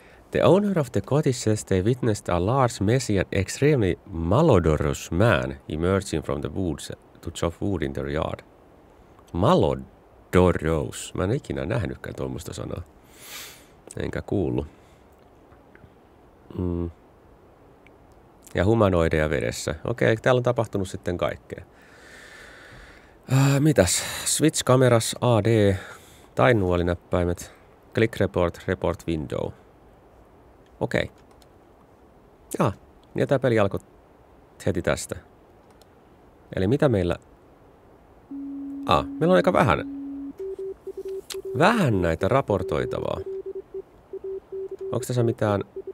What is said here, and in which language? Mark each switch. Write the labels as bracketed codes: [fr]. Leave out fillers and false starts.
[en] The owner of the cottage says they witnessed a large, messy and extremely malodorous man emerging from the woods to chop wood in their yard. Malodorous. [fi] Mä en ikinä nähnytkään tuommoista sanaa. Enkä kuullut. Ja humanoideja vedessä. Okei, täällä on tapahtunut sitten kaikkea. Mitäs? [en] Switch cameras AD [fi] tai nuolinäppäimet. [en] Click report, report window. [fi] Okei. Ja tää peli alkoi heti tästä. Eli mitä meillä... meillä on aika vähän näitä raportoitavaa. Onko tässä mitään...